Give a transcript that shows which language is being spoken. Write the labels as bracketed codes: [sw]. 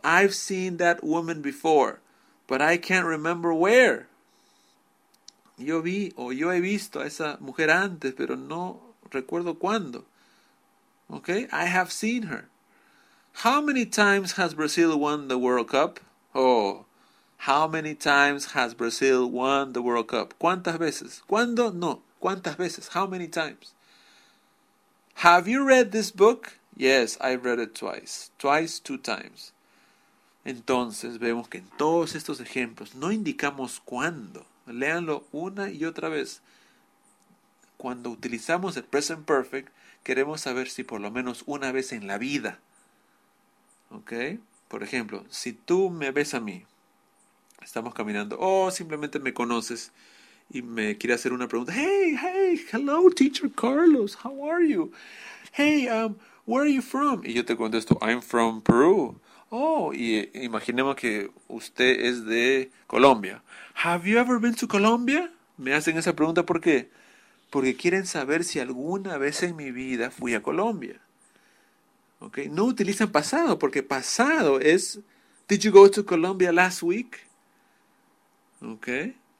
[en] I've seen that woman before, but I can't remember where. [es] Yo vi o yo he visto a esa mujer antes, pero no recuerdo cuándo. [en] ¿Ok? I have seen her. How many times has Brazil won the World Cup? Oh, how many times has Brazil won the World Cup? [es] ¿Cuántas veces? ¿Cuándo? No. ¿Cuántas veces? [en] How many times? Have you read this book? Yes, I've read it twice. Twice, 2 times. [es] Entonces, vemos que en todos estos ejemplos no indicamos cuándo. Léanlo una y otra vez. Cuando utilizamos el present perfect, queremos saber si por lo menos una vez en la vida. ¿Ok? Por ejemplo, si tú me ves a mí, estamos caminando, o simplemente me conoces y me quiere hacer una pregunta. [en] Hey, hey, hello, teacher Carlos, how are you? Hey, where are you from? [es] Y yo te contesto, [en] I'm from Peru. [es] Oh, y imaginemos que usted es de Colombia. [en] Have you ever been to Colombia? [es] Me hacen esa pregunta, ¿por qué? Porque quieren saber si alguna vez en mi vida fui a Colombia. [en] Okay. [es] No utilizan pasado, porque pasado es, [en] did you go to Colombia last week? Okay.